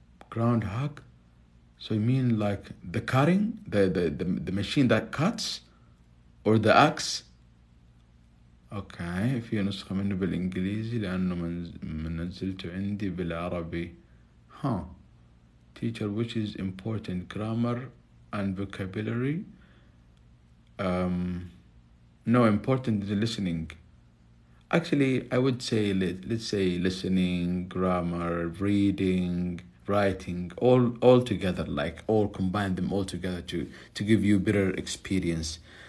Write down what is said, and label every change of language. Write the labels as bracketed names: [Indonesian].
[English] Groundhog. So you mean like the cutting, the machine that cuts, or the axe? Okay. [Arabic] في نسخة منه بالإنجليزي لأنه منزلته عندي بالعربي. Huh. [English] Teacher, which is important grammar. And vocabulary. No, important is listening. Actually, I would say let's say listening, grammar, reading, writing, all together, like all combine them all together to give you better experience.